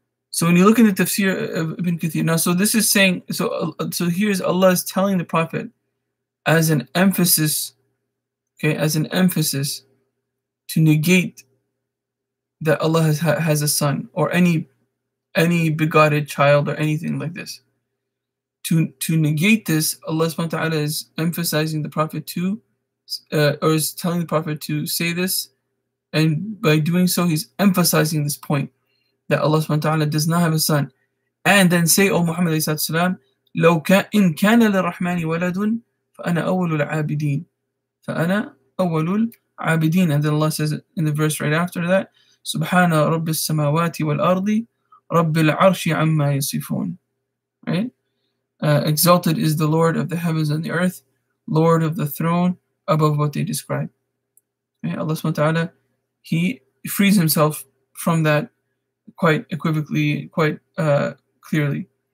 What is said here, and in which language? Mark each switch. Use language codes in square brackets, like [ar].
[en] So when you look in the tafsir of Ibn Kathir, now, so this is saying, so here's Allah is telling the Prophet as an emphasis, okay, as an emphasis to negate that Allah has a son or any begotten child or anything like this. To negate this, Allah subhanahu wa ta'ala is emphasizing the Prophet to, or is telling the Prophet to say this, and by doing so, he's emphasizing this point that Allah subhanahu wa ta'ala does not have a son. And then say, O Muhammad alayhi salam, [ar] لو إن كان للرحمن ولد فأنا أول العابدين فأنا أول العابدين. [en] And then Allah says in the verse right after that, [ar] سبحان رب السماوات والأرض رب العرش عما يصفون. [en] Right? Exalted is the Lord of the heavens and the earth, Lord of the throne, above what they describe. Okay? Allah subhanahu wa ta'ala, he frees himself from that quite equivocally, quite clearly.